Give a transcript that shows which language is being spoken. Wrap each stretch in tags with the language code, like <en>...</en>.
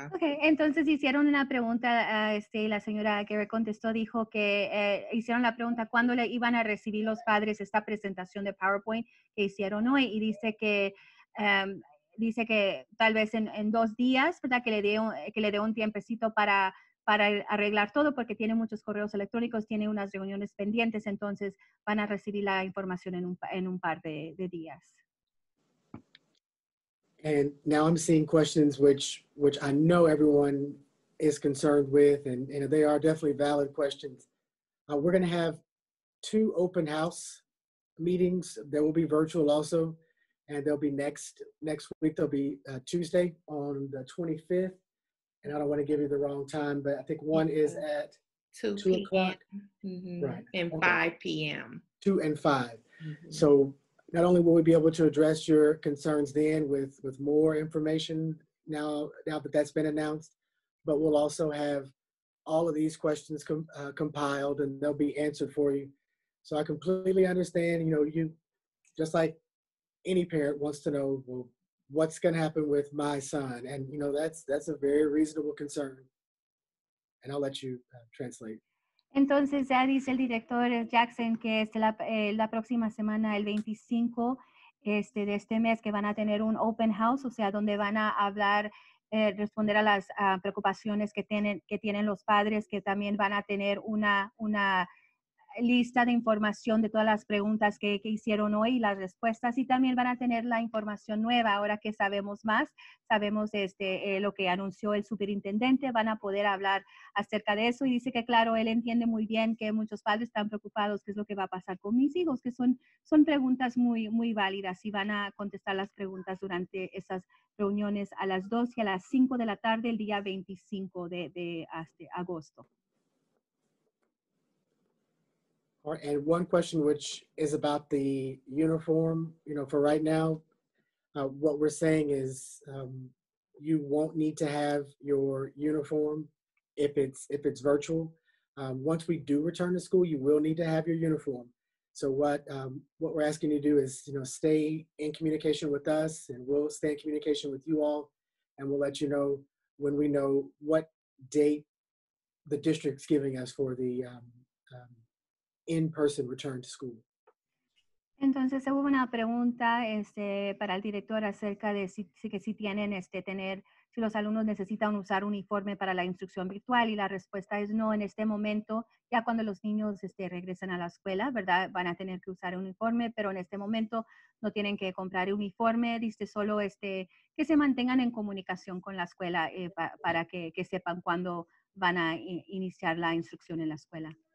<es>Okay, entonces hicieron una pregunta, la señora que contestó dijo que hicieron la pregunta cuándo le iban a recibir los padres esta presentación de PowerPoint que hicieron hoy, y dice que tal vez en dos días, ¿verdad? Que le dé un tiempecito para arreglar todo porque tiene muchos correos electrónicos, tiene unas reuniones pendientes, entonces van a recibir la información en un par de días.</es> <en>And now I'm seeing questions which I know everyone is concerned with, and they are definitely valid questions. We're going to have two open house meetings that will be virtual also, and they'll be next week. They'll be Tuesday on the 25th. And I don't want to give you the wrong time, but I think one is at 2 o'clock. Mm-hmm. Right. And 5 p.m. 2 and 5. Mm-hmm. So not only will we be able to address your concerns then with more information now that that's been announced, but we'll also have all of these questions compiled and they'll be answered for you. So I completely understand, you know, you just like any parent wants to know, well, what's going to happen with my son? And, you know, that's a very reasonable concern. And I'll let you translate.</en> <es>Entonces, ya dice el director Jackson que la próxima semana, el 25 de este mes, que van a tener un open house, o sea, donde van a hablar, responder a las preocupaciones que tienen los padres, que también van a tener una lista de información de todas las preguntas que hicieron hoy y las respuestas, y también van a tener la información nueva ahora que sabemos más, sabemos lo que anunció el superintendente, van a poder hablar acerca de eso, y dice que claro, él entiende muy bien que muchos padres están preocupados, qué es lo que va a pasar con mis hijos, que son preguntas muy, muy válidas, y van a contestar las preguntas durante esas reuniones a las 2 y a las 5 de la tarde el día 25 de agosto.</es> <en>And one question which is about the uniform, you know, for right now, what we're saying is you won't need to have your uniform if it's virtual. Once we do return to school, you will need to have your uniform. So what we're asking you to do is, you know, stay in communication with us, and we'll stay in communication with you all, and we'll let you know when we know what date the district's giving us for the in-person return to school.</en> <es>Entonces hubo una pregunta para el director acerca de si tienen tener, si los alumnos necesitan usar uniforme para la instrucción virtual, y la respuesta es no en este momento. Ya cuando los niños regresan a la escuela, ¿verdad?, van a tener que usar uniforme, pero en este momento no tienen que comprar uniforme, dice, solo que se mantengan en comunicación con la escuela para que sepan cuándo van a iniciar la instrucción en la escuela.</es>